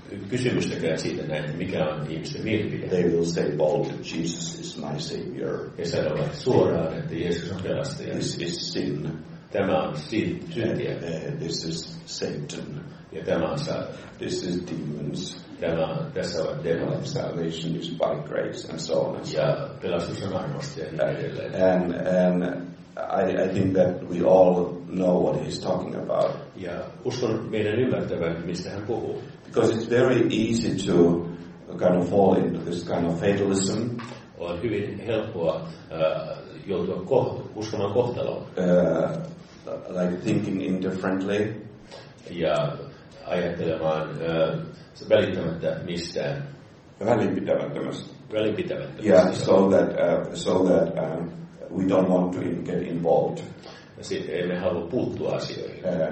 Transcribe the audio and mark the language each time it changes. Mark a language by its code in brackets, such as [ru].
[fi] Kysymystäkään siitä näin, mikä on ihmisten mielipide. [en] They will say bold that Jesus is my savior. [fi] He sanovat suoraan, että Jeesus on pelastaja. [en] This is sin. [fi] Tämä on syntiä. [en] This is Satan. [fi] Ja tämä on saa. [en] This is demons. [fi] Tässä on demoni. [en] Salvation is by grace and so on. [fi] Ja pelastus on armosta ja niin edelleen. [en] And I think that we all know what he's talking about. [fi] Ja uskon meidän ymmärtävän, mistä hän puhuu. [en] Because it's very easy to kind of fall into this kind of fatalism. [fi] On hyvin helppoa joutua uskomaan kohtaloon. [en] Like thinking indifferently. [fi] Ja ajattelemaan välittämättä mistään. Välinpitämättömästä. [en] Yeah, so that we don't want to even get involved. [fi] Sitten emme halua puuttua asioihin.